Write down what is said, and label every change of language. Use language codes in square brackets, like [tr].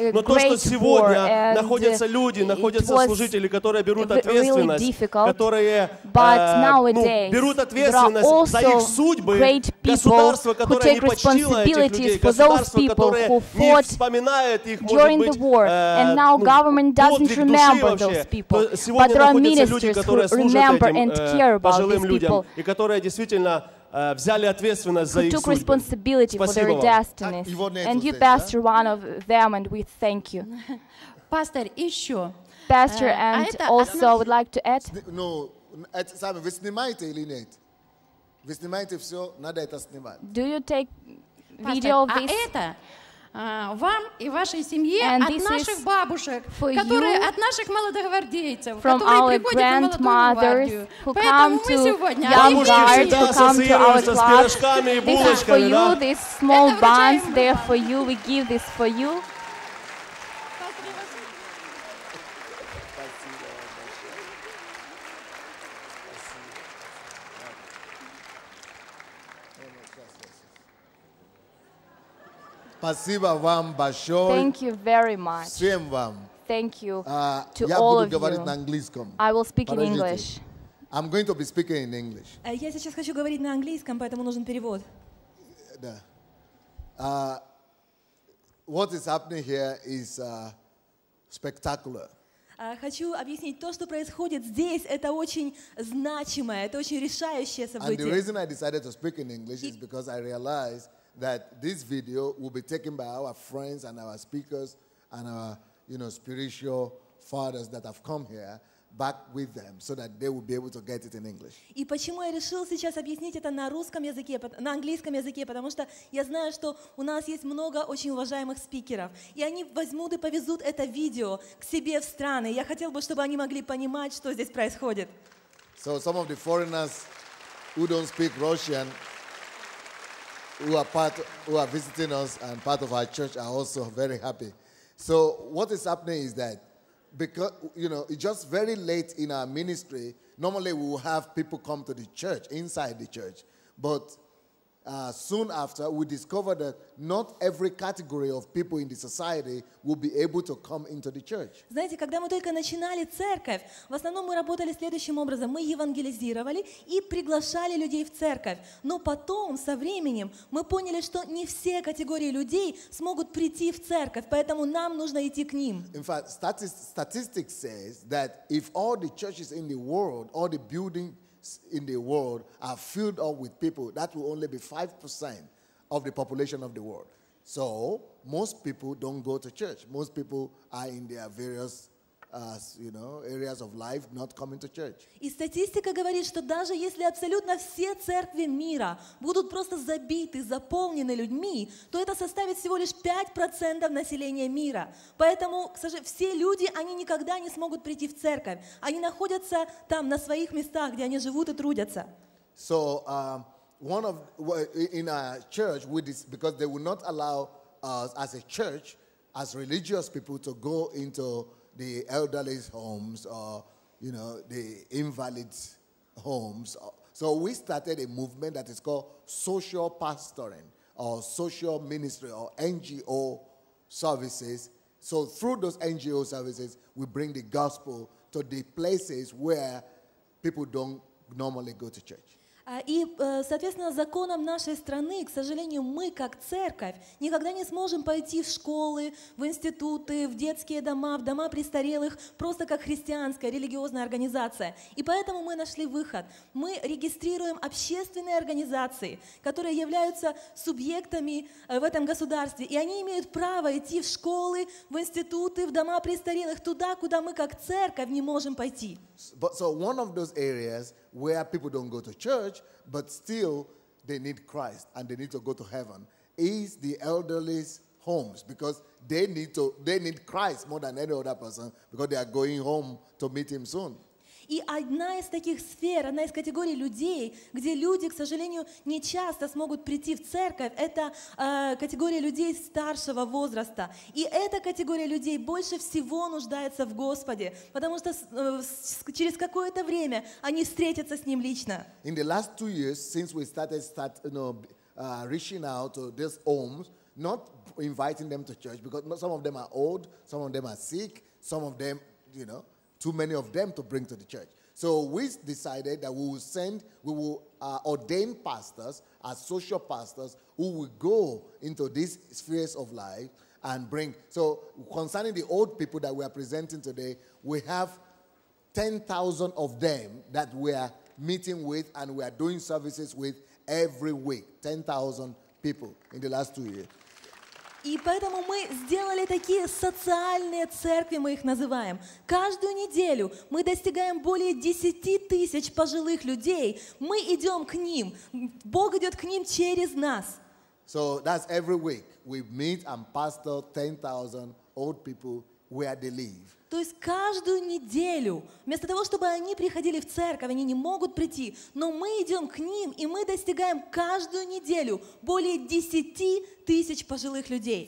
[ru] Но то, что сегодня находятся люди, находятся служители, которые берут ответственность, которые берут ответственность за их судьбы, государство, которое не почтило этих людей, государство, которое не вспоминает их, может быть, подвиг души вообще. Сегодня находятся люди, которые служат этим пожилым людям, и которые действительно взяли ответственность за их [en] took responsibility [ru] судьбы. [en] For their destiny. And you, pastor, one of them, and we thank you. [ru] Pastor, еще. [en] Pastor, and also I would like to add. [ru] No, сами, вы снимаете или нет? Вы снимаете все, надо это снимать. [en] Do you take video of this? [ru] Вам и вашей семье от наших бабушек, которые от наших молодогвардейцев, которые приходят в молодую гвардию. Поэтому мы сегодня [en] Young guards come to our club. This is for you, this small bun, there for you, we give this for you. [ru] Спасибо вам большое. [en] Thank you very much. [ru] Всем вам. [en] Thank you to all of you. [ru] Я буду говорить на английском. [en] I will speak in English. I'm going to be speaking in English. [ru] Я сейчас хочу говорить на английском, поэтому нужен перевод. [en] Да. What is happening here is spectacular. [ru] Хочу объяснить то, что происходит здесь. Это очень значимое, это очень решающее событие. [en] And the reason I decided to speak in English is because I realized that this video will be taken by our friends and our speakers and our, you know, spiritual fathers that have come here back with them so that they will be able to get it in English. [ru] И почему я решил сейчас объяснить это на русском языке, на английском языке, потому что я знаю, что у нас есть много очень уважаемых спикеров, и они возьмут и повезут это видео к себе в страны. Я хотел бы, чтобы они могли понимать, что здесь происходит. [en] So some of the foreigners who don't speak Russian who are visiting us and part of our church are also very happy. So what is happening is that, because, you know, it's just very late in our ministry. Normally we will have people come to the church, inside the church. But soon after, we discovered that not every category of people in the society will be able to come into the church. [ru] Знаете, когда мы только начинали церковь, в основном мы работали следующим образом: мы евангелизировали и приглашали людей в церковь. Но потом, со временем, мы поняли, что не все категории людей смогут прийти в церковь, поэтому нам нужно идти к ним. [en] In fact, statistics says that if all the churches in the world, all the buildings in the world are filled up with people, that will only be 5% of the population of the world. So most people don't go to church. Most people are in their various areas of life, not coming to church. [ru] И статистика говорит, что даже если абсолютно все церкви мира будут просто забиты, заполнены людьми, то это составит всего лишь 5% населения мира. Поэтому, к сожалению, все люди, они никогда не смогут прийти в церковь. Они находятся там, на своих местах, где они живут и трудятся. [en] So, in our church, because they will not allow us as a church, as religious people, to go into the elderly's homes or, the invalid's homes. So we started a movement that is called social pastoring or social ministry or NGO services. So through those NGO services, we bring the gospel to the places where people don't normally go to church. [ru] И, соответственно, законом нашей страны, к сожалению, мы, как церковь, никогда не сможем пойти в школы, в институты, в детские дома, в дома престарелых, просто как христианская религиозная организация. И поэтому мы нашли выход. Мы регистрируем общественные организации, которые являются субъектами в этом государстве. И они имеют право идти в школы, в институты, в дома престарелых, туда, куда мы, как церковь, не можем пойти. [en] So one of those areas where people don't go to church, but still they need Christ and they need to go to heaven, is the elderly's homes, because they need Christ more than any other person, because they are going home to meet him soon. [ru] И одна из таких сфер, одна из категорий людей, где люди, к сожалению, не часто смогут прийти в церковь, это категория людей старшего возраста. И эта категория людей больше всего нуждается в Господе, потому что через какое-то время они встретятся с Ним лично. [en] In the last 2 years, since we started reaching out to these homes, not inviting them to church, because some of them are old, some of them are sick, some of them, too many of them to bring to the church. So we decided that we will ordain pastors as social pastors who will go into these spheres of life and bring. So concerning the old people that we are presenting today, we have 10,000 of them that we are meeting with and we are doing services with every week. 10,000 people in the last 2 years. [ru] И поэтому мы сделали такие социальные церкви, мы их называем. Каждую неделю мы достигаем более 10,000 пожилых людей. Мы идем к ним. Бог идет к ним через нас. [en] So that's every week we meet and pastor 10,000 old people where they live. [ru] То есть каждую неделю, вместо того, чтобы они приходили в церковь, они не могут прийти, но мы идем к ним, и мы достигаем каждую неделю более 10,000 пожилых людей.